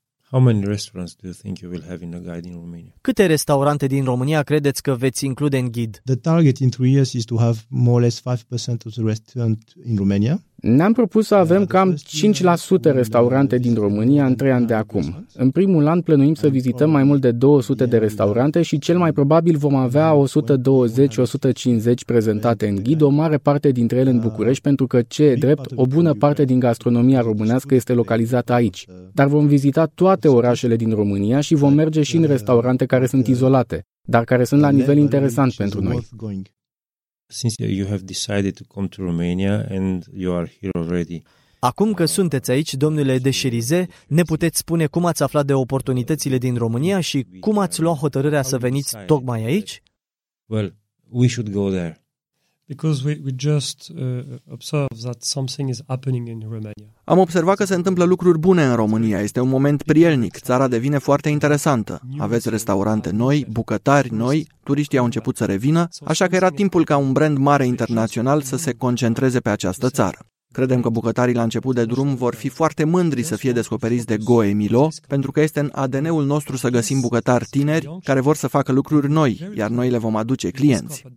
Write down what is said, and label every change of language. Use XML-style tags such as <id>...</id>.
<en>How many restaurants do you think you will have in a guide in Romania?</en> <ro>Câte restaurante din România credeți că veți include în ghid?</ro> <en>The target in 3 years is to have more or less 5% of the restaurant in Romania.</en> <ro>Ne-am propus să avem cam 5% restaurante din România în 3 ani de acum. În primul an plănuim să vizităm mai mult de 200 de restaurante și cel mai probabil vom avea 120-150 prezentate în ghid, o mare parte dintre ele în București, pentru că, ce e drept, o bună parte din gastronomia românească este localizată aici. Dar vom vizita toate orașele din România și vom merge și în restaurante care sunt izolate, dar care sunt la nivel interesant pentru noi.</ro> <en>Since you have decided to come to Romania and you are here already.</en> <ro>Acum că sunteți aici, domnule Deșerize, ne puteți spune cum ați aflat de oportunitățile din România și cum ați luat hotărârea să veniți tocmai aici?</ro> <en>Well, we should go there. Because we just observe that something is happening in Romania.</en> <ro>Am observat că se întâmplă lucruri bune în România. Este un moment prielnic. Țara devine foarte interesantă. Aveți restaurante noi, bucătari noi, turiștii au început să revină, așa că era timpul ca un brand mare internațional să se concentreze pe această țară. Credem că bucătarii la început de drum vor fi foarte mândri să fie descoperiți de Goemio, pentru că este în ADN-ul nostru să găsim bucătari tineri care vor să facă lucruri noi, iar noi le vom aduce clienți.</ro>